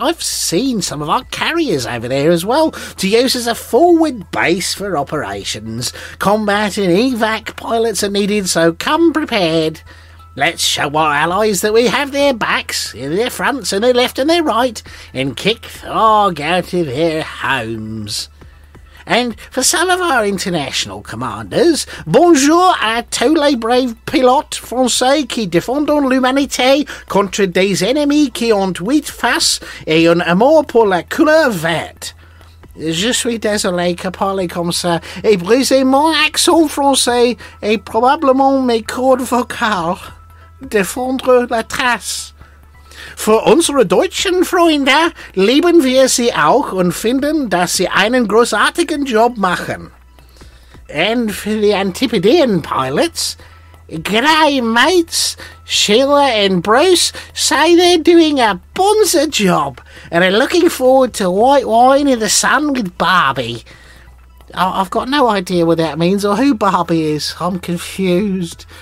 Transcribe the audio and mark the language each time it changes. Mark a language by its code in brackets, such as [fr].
[en] I've seen some of our carriers over there as well, to use as a forward base for operations. Combat and evac pilots are needed, so come prepared. Let's show our allies that we have their backs, their fronts, and their left and their right, and kick Tharg out of their homes. And for some of our international commanders, [fr] bonjour à tous les braves pilotes français qui défendent l'humanité contre des ennemis qui ont huit faces et un amour pour la couleur verte. Je suis désolé que parler comme ça et briser mon accent français et probablement mes cordes vocales. Défendre la trace. [de] Für unsere deutschen Freunde lieben wir sie auch und finden, dass sie einen großartigen Job machen. [en] And for the Antipodean pilots, G'day mates, Sheila and Bruce say they're doing a bonza job and are looking forward to white wine in the sun with Barbie. I've got no idea what that means or who Barbie is. I'm confused.